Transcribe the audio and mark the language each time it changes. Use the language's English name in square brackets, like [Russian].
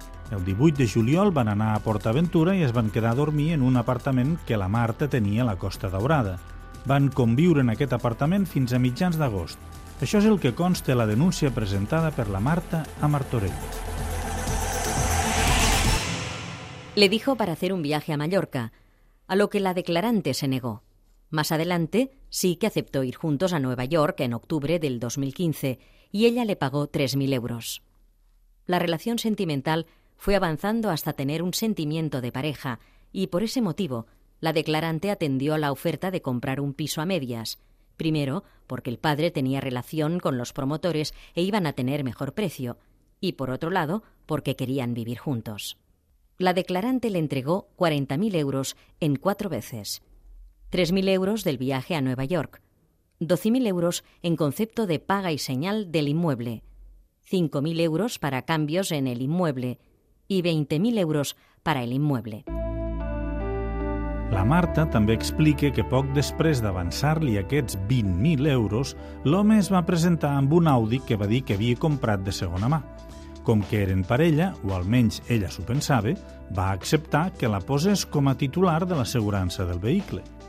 [Catalan] El 18 de juliol van anar a PortAventura i es van quedar a dormir en un apartament que la Marta tenia a la Costa Daurada. Van conviure en aquest apartament fins a mitjans d'agost. Això és el que consta la denúncia presentada per la Marta a Martorell. [Spanish] Le dijo para hacer un viaje a Mallorca, a lo que la declarante se negó. Más adelante, sí que aceptó ir juntos a Nueva York en octubre del 2015 y ella le pagó 3.000 euros. La relación sentimental fue avanzando hasta tener un sentimiento de pareja y por ese motivo la declarante atendió a la oferta de comprar un piso a medias. Primero, porque el padre tenía relación con los promotores e iban a tener mejor precio. Y por otro lado, porque querían vivir juntos. La declarante le entregó 40.000 euros en 4 veces. 3.000 euros del viaje a Nueva York. 12.000 euros en concepto de paga y señal del inmueble. 5.000 euros para cambios en el inmueble. Y 20.000 euros para el inmueble. [Catalan] La Marta també explica que poc després d'avançar-li aquests 20.000 euros, l'home es va presentar amb un Audi que va dir que havia comprat de segona mà. Com que eren parella, o almenys ella s'ho pensava, va acceptar que la posés com a titular de l'assegurança del vehicle.